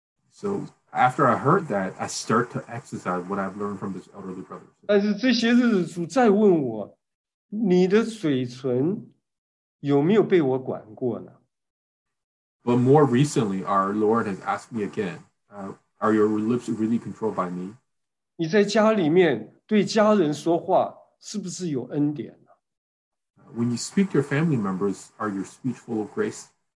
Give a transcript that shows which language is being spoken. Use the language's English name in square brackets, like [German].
[English] So after I heard that, I start to exercise what I've learned from this elderly brother. [Chinese] 但是这些日子主再问我, 你的嘴唇有没有被我管过呢? [English] But more recently, our Lord has asked me again, are your lips really controlled by me? [Chinese] 你在家里面对家人说话是不是有恩典呢? [English] When you speak to your family members, are your speech full of grace?